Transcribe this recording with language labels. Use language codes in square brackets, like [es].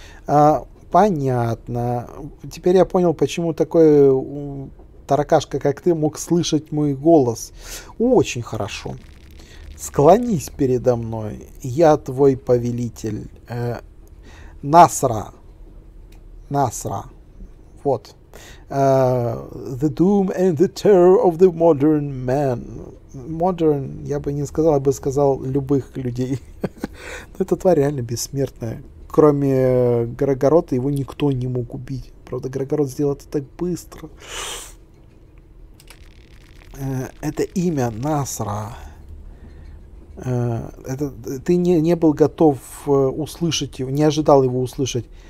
[ru] А, понятно. Теперь я понял, почему такой таракашка, как ты мог слышать мой голос? Очень хорошо. Склонись передо мной, я твой повелитель. Насра. Насра. Вот. [en] The doom and the terror of the modern man. [ru] Modern, я бы не сказал, я бы сказал любых людей. Но эта тварь реально бессмертная. Кроме Грогорода, его никто не мог убить. Правда, Грогород сделал это так быстро. Это имя Насра. Это, ты не был готов услышать его, не ожидал его услышать.